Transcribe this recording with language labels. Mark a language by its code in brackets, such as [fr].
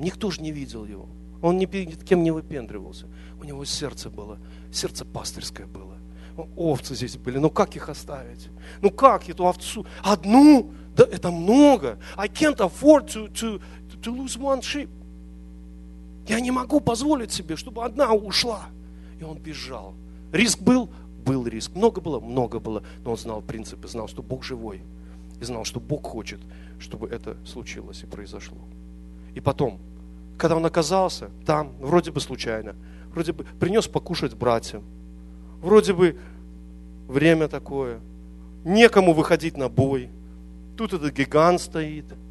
[ru] Никто же не видел его. Он ни перед кем не выпендривался. У него сердце было, сердце пастырское было. Овцы здесь были, но как их оставить? Ну как эту овцу? Одну? Да, это много. [en] I can't afford to lose one sheep. [ru] Я не могу позволить себе, чтобы одна ушла. И он бежал. Риск был? Был риск. Много было. Но он знал принципы, знал, что Бог живой. И знал, что Бог хочет, чтобы это случилось и произошло. И потом, когда он оказался там, вроде бы случайно, вроде бы принес покушать братьям, вроде бы время такое, некому выходить на бой, тут этот гигант стоит.